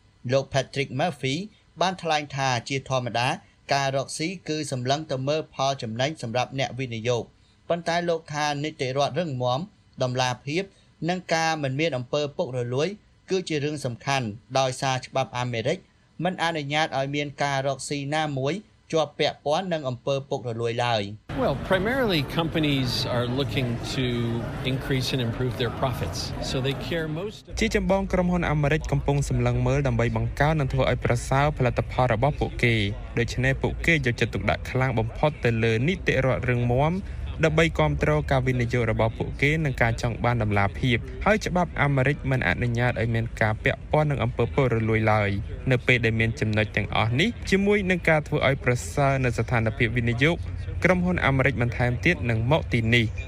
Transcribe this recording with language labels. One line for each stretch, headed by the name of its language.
Khmer: រលោក Patrick Murphy បានថ្លែងថាជាធម្មតាការរកស៊ីគឺសម្លឹងទៅមើលផលចំណេញសម្រាប់អ្នកវិនិយោគប៉ុន្តែលោកថានីតិរដ្ឋរឹងមាំតម្លាភាពនិងការមិនមានអំពើពុករលួយគឺជារឿងសំខាន់ដោយសារច្បាប់អាមេរិកមិនអនុញ្ញាតឲ្យមានការរកស៊ីណាមួយជាប់ពាក់ព័ន្ធនឹងអំពើពុករលួយឡើយ
English: Well primarily companies are looking to increase and improve their profits so they care most
Khmer: ជាចម្បងក្រុមហ៊ុនអាមេរិកកំពុងសម្លឹងមើលដើម្បីបង្កើននិងធ្វើឲ្យប្រសើរផលិតផលរបស់ពួកគេដូច្នេះពួកគេយកចិត្តទុកដាក់ខ្លាំងបំផុតទៅលើនីតិរដ្ឋរឹងមាំដើម្បីគ្រប់គ្រងការវិនិយោគរបស់ពួកគេនឹងការចង់បានដំណាភាពហើយច្បាប់អាមេរិកមិនអនុញ្ញាតឲ្យមានការពាក់ព័ន្ធនឹងអំពើពុករលួយឡើយនៅពេលដែលមានចំណុចទាំងអស់នេះជាមួយនឹងការធ្វើឲ្យប្រសើរនៅស្ថានភាពវិនិយោគក្រុមហ៊ុនអាមេរិកបន្ថែមទៀតនឹងមកទីនេះ